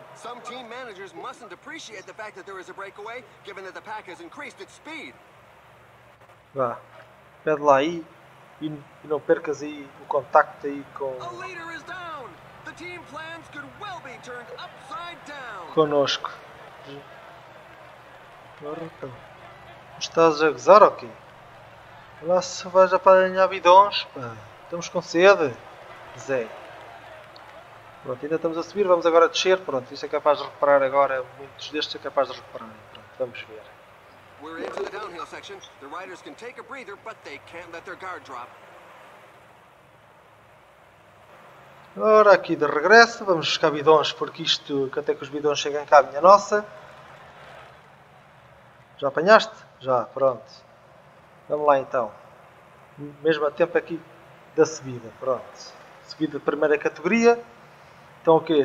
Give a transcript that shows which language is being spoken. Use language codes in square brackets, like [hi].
[en] Some team managers mustn't appreciate the fact that there is a breakaway, given that the pack has increased its speed. [pt] Vá, pede lá aí e não percas aí o contacto aí com [en] The team plans could well be turned upside down. [pt] Conosco. Agora então. Estás a gozar ou quê? Lá se vai já para ganhar bidons, pá. Estamos com sede, Zé. Pronto, ainda estamos a subir, vamos agora descer. Pronto, isso é capaz de reparar agora. Muitos destes é capaz de reparar. Pronto, vamos ver. [en] We're into the downhill section. The riders can take a breather, but they can't let their guard drop. [pt] Ora, aqui de regresso, vamos buscar bidons, porque isto, que até que os bidons cheguem cá, minha nossa. Já apanhaste? Já, pronto. Vamos lá então. Mesmo a tempo aqui da subida, pronto. Subida de primeira categoria. Então o quê?